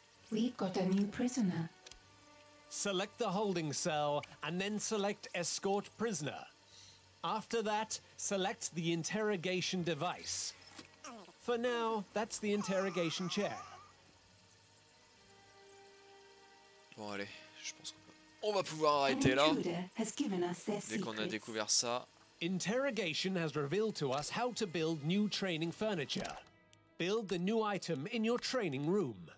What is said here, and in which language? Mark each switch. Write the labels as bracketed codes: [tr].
[en] We've got a new prisoner. Select the holding cell, and then select Escort Prisoner. After that, select the interrogation device. For now, that's the interrogation chair. [fr] Bon, allez, je pense qu'on va pouvoir arrêter là. Dès qu'on a découvert ça. [en] Interrogation has revealed to us how to build new training furniture. Build the new item in your training room.